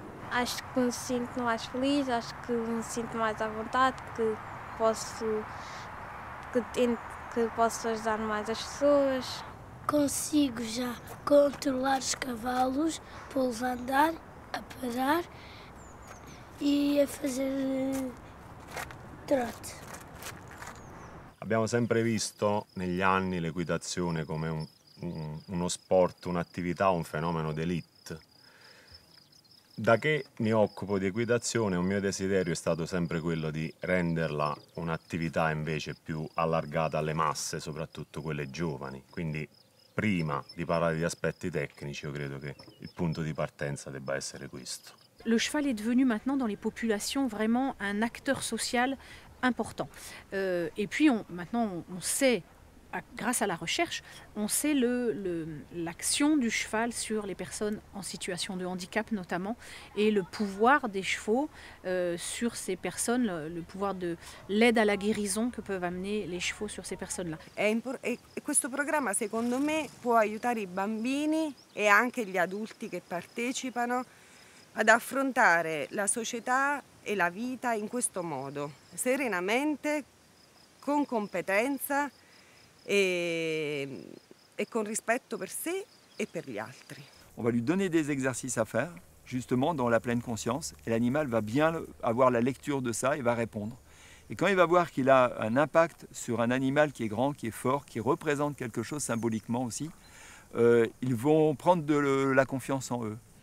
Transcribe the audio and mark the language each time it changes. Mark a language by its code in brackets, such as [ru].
[pt] Acho que me sinto mais feliz, acho que me sinto mais à vontade, que posso ajudar mais as pessoas. Consigo já controlar os cavalos, pô-los a andar, a parar e a fazer trote. [it] Abbiamo sempre visto negli anni l'equitazione come uno sport, un'attività, un fenomeno d'élite. Da che mi occupo di equitazione, un mio desiderio è stato sempre quello di renderla un'attività invece più allargata alle masse, soprattutto quelle giovani. Quindi prima di parlare di aspetti tecnici, io credo che il punto di partenza debba essere questo. [fr] Le cheval est devenu maintenant dans les populations vraiment un acteur social important. Et puis maintenant on sait, grâce à la recherche, on sait l'action du cheval sur les personnes en situation de handicap notamment, et le pouvoir des chevaux sur ces personnes, le pouvoir de l'aide à la guérison que peuvent amener les chevaux sur ces personnes-là. [it] Et questo programma, secondo me, può aiutare i bambini e anche gli adulti che partecipano ad affrontare la società e la vita in questo modo, serenamente, con competenza e con rispetto per sé e per gli altri. [fr] On va lui donner des exercices à faire, justement dans la pleine conscience, et l'animal va bien avoir la lecture de ça et va répondre. Et quand il va voir qu'il a un impact sur un animal qui est grand, qui est fort, qui représente quelque chose symboliquement aussi, ils vont prendre de la confiance en eux.